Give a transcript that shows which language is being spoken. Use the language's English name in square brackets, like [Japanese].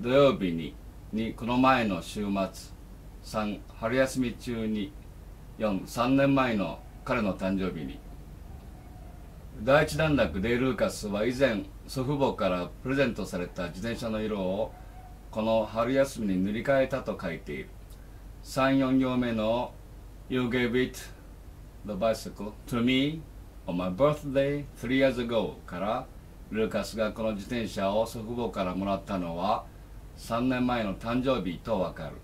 [Japanese] 土曜日に。2. この前の週末。3. 春休み中に。4. 3年前の彼の誕生日に。第一段落でルーカスは以前祖父母からプレゼントされた自転車の色をこの春休みに塗り替えたと書いている。 [English] 3、4行目の You gave it the bicycle to me on my birthday 3 years ago [Japanese] からルーカスがこの自転車を祖父母からもらったのは3年前の誕生日とわかる。